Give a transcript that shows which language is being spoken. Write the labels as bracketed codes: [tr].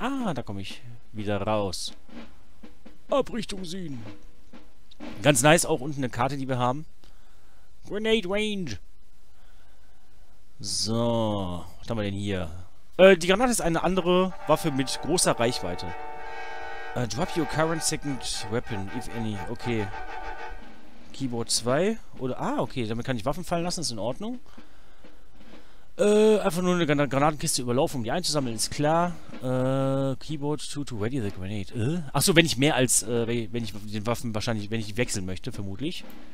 [de] Ah, da komme ich wieder raus. Abrichtung sehen. Ganz nice, auch unten eine Karte, die wir haben. Grenade Range. So, was haben wir denn hier? Die Granate ist eine andere Waffe mit großer Reichweite. [en] Drop your current second weapon, if any. Okay. Keyboard 2. [de] Oder, ah, okay, damit kann ich Waffen fallen lassen, ist in Ordnung. Einfach nur eine Granatenkiste überlaufen, um die einzusammeln, ist klar. Keyboard 2 to ready the grenade. Achso, wenn ich mehr als, wenn ich den Waffen wahrscheinlich, wenn ich die wechseln möchte, vermutlich.